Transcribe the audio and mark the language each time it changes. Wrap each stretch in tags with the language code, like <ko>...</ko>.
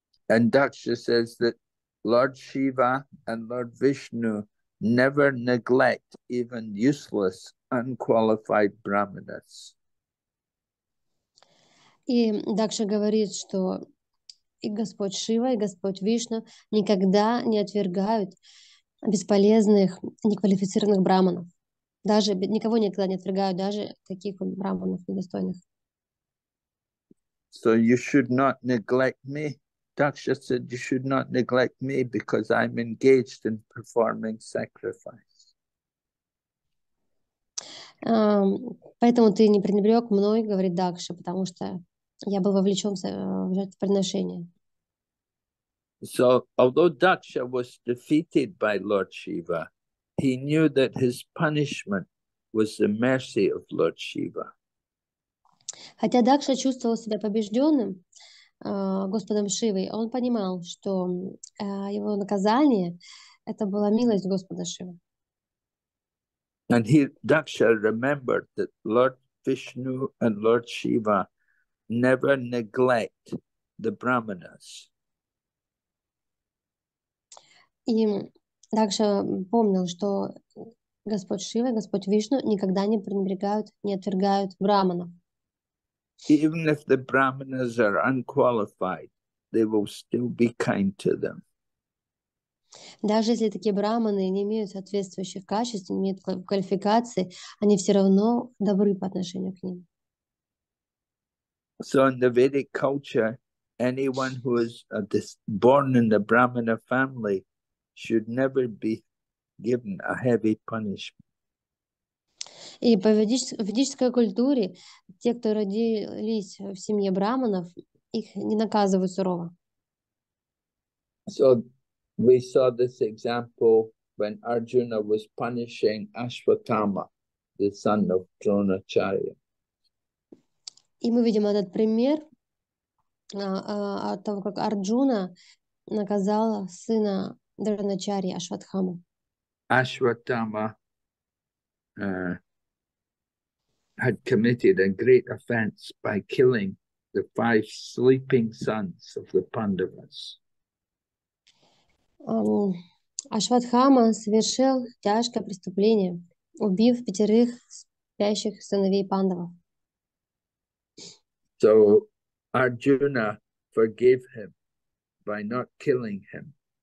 <en>And Daksha says that Lord Shiva and Lord Vishnu never neglect even useless, unqualified brahmanas.</en> <ru>И Дакша говорит, что и Господь Шива, и Господь Вишна никогда не отвергают бесполезных, неквалифицированных браманов. Даже никого никогда не отвергают, даже таких браманов недостойных.</ru> <en>So you should not neglect me. Daksha said, you should not neglect me because I'm engaged in performing sacrifice.</en> <ru>Поэтому ты не пренебрег мной, говорит Дакша, потому что я был вовлечен в жертвоприношение.</ru> <en>So, although Daksha was defeated by Lord Shiva, he knew that his punishment was the mercy of Lord Shiva.</en> <ru>Хотя Дакша чувствовал себя побежденным Господом Шивой, он понимал, что его наказание — это была милость Господа Шивы.</ru> <en>And he, Daksha, remembered that Lord Vishnu and Lord Shiva never neglect the brahmanas.</en> <ru>И Дакша помнил, что Господь Шива и Господь Вишну никогда не пренебрегают, не отвергают брахманов.</ru> <en>Even if the brahmanas are unqualified, they will still be kind to them.</en> <ru>Даже если такие брахманы не имеют соответствующих качеств, не имеют квалификации, они все равно добры по отношению к ним.</ru> <en>So in the Vedic culture, anyone who is born in the brahmana family should never be given a heavy punishment.</en> <ru>И по ведической культуре те, кто родились в семье брахманов, их не наказывают сурово.</ru> <en>So we saw this example when Arjuna was punishing Ashwatthama, the son of Dronacharya.</en> <ru>И мы видим этот пример от того, как Арджуна наказала сына Дроначарьи Ашватхаму.</ru> <en>Ашватама had committed a great offense by killing the five sleeping sons of the Pandavas.</en> <ru>Ашватхама совершил тяжкое преступление, убив пятерых спящих сыновей Пандавов.</ru> <en>So Arjuna forgave him by not killing him.</en>